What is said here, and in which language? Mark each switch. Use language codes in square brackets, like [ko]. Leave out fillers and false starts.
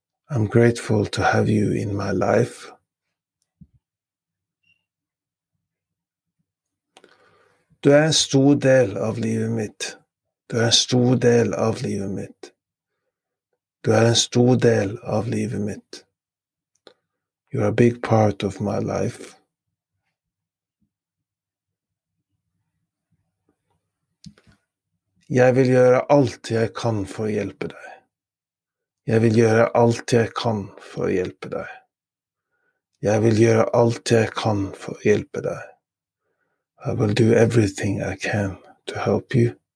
[en] I'm grateful to have you in my life. [no] Du en stor del av livet mitt. Du en stor del av livet mitt. Du en stor del av livet mitt. [en] You're a big part of my life. [no] Jeg vil gjøre alt jeg kan for å hjelpe deg. Jeg vil gjøre alt jeg kan for å hjelpe deg. Jeg vil gjøre alt jeg kan for å hjelpe deg. [en] I will do everything I can to help you.